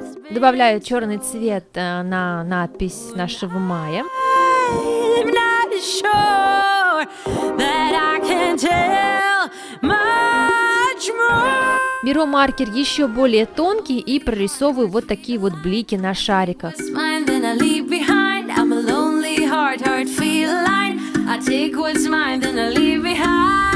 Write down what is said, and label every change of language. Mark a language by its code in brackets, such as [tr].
[ru] Добавляю черный цвет на надпись нашего мая. [en] I'm not sure that I can tell much more. [ru] Беру маркер еще более тонкий и прорисовываю вот такие вот блики на шариках. [en] Smile, then I leave behind. I'm a lonely heart, heart feel line. I take what's mine, then I leave behind.